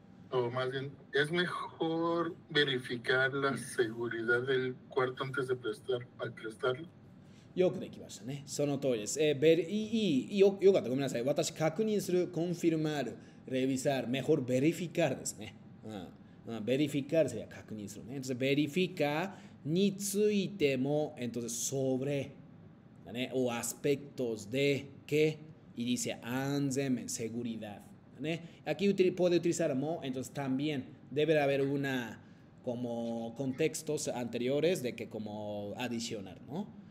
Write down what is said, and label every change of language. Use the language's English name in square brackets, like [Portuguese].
[Spanish] O más bien, ¿es mejor verificar la seguridad del cuarto antes de prestarlo? [Japanese] よくできましたね。その通りです。よかった。ごめんなさい。私、確認する、 [Spanish] confirmar、revisar、mejor verificar [Japanese] ですね。 [Spanish] verificar sería [Japanese] 確認するね。 [Spanish] Entonces, verifica [Japanese] についても、 [Spanish] entonces, sobre、ね、o aspectos de que、y dice 安全、seguridad。 ¿Ne? Aquí puede utilizar mo, entonces también debe haber una como contextos anteriores de que como adicionar, ¿no?